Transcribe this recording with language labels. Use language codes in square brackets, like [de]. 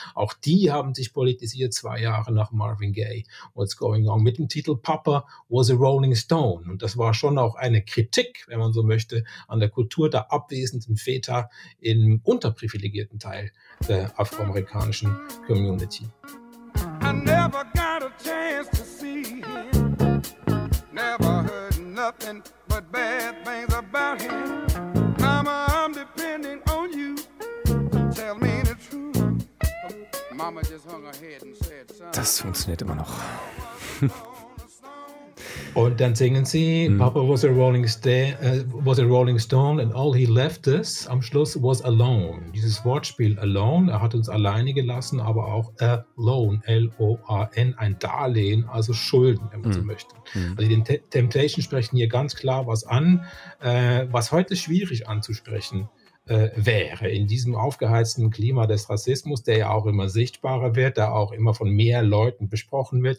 [de] Auch die haben sich politisiert 2 Jahre nach Marvin Gaye, What's Going On, mit dem Titel Papa Was a Rolling Stone. Und das war schon auch eine Kritik, wenn man so möchte, an der Kultur der abwesenden Väter im unterprivilegierten Teil der afroamerikanischen Community. [en] I never got a chance to see him. Never heard nothing but bad things about him. Mama, I'm depending on you. Tell me the truth. Mama just hung her head and said, son. [de] Das funktioniert immer noch. Und dann singen sie, [en] Papa was a Rolling Stone and all he left us, [de] am Schluss [en] was alone. [de] Dieses Wortspiel alone, er hat uns alleine gelassen, aber auch alone, L-O-A-N, ein Darlehen, also Schulden, wenn man so möchte. Mm. Also die Temptations sprechen hier ganz klar was an, was heute schwierig anzusprechen wäre in diesem aufgeheizten Klima des Rassismus, der ja auch immer sichtbarer wird, der auch immer von mehr Leuten besprochen wird.